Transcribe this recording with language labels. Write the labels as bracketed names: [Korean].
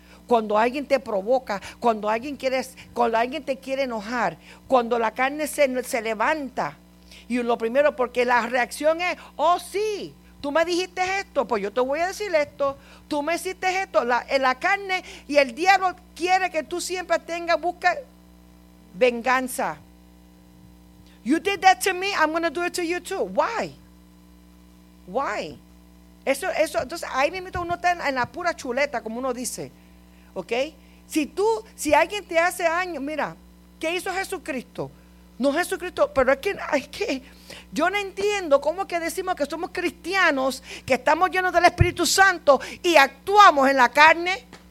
[Spanish] Cuando alguien te provoca, cuando alguien te quiere enojar, cuando la carne se levanta. Y lo primero, porque la reacción es, oh sí, tú me dijiste esto, pues yo te voy a decir esto. Tú me hiciste esto. La carne y el diablo quiere que tú siempre tengas, busca venganza. [English] You did that to me, I'm going to do it to you too. Why? Why? [Spanish] Eso, entonces ahí mismo uno está en la pura chuleta, como uno dice. ¿Ok? Si alguien te hace daño, mira, ¿qué hizo Jesucristo? No Jesucristo, pero es que yo no entiendo cómo que decimos que somos cristianos, que estamos llenos del Espíritu Santo y actuamos en la carne.